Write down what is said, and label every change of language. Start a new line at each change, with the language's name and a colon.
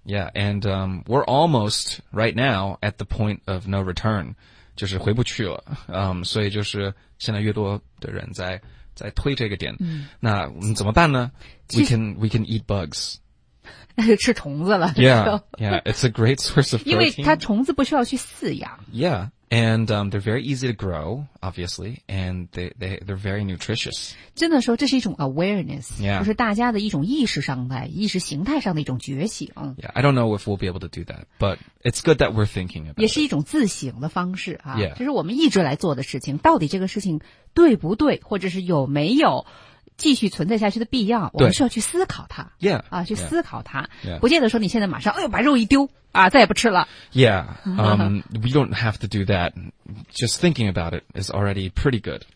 English: yeah and we're almost right now at the point of no return
Chinese: 就是回不去了所以就是现在越多的人在推这个点、嗯、那我们怎么办呢
English: we can eat bugs
Chinese: 那就吃虫子了
English: yeah it's a great source of protein
Chinese: 因为它虫子不需要去饲养
English: yeah and they're very easy to grow obviously and they're very nutritious
Chinese: 真的说这是一种 awareness、
English: yeah.
Chinese: 就是大家的一种意识上的意识形态上的一种觉醒
English: yeah I don't know if we'll be able to do that but it's good that we're thinking about
Chinese: 也是一种自省的方式啊、
English: yeah.
Chinese: 就是我们一直来做的事情到底这个事情对不对或者是有没有继续存在下去的必要我们需要去思考它
English: yeah,
Chinese: 啊去思考它
English: yeah, yeah.
Chinese: 不见得说你现在马上哎呦把肉一丢啊再也不吃了
English: yeah, we don't have to do that just thinking about it is already pretty good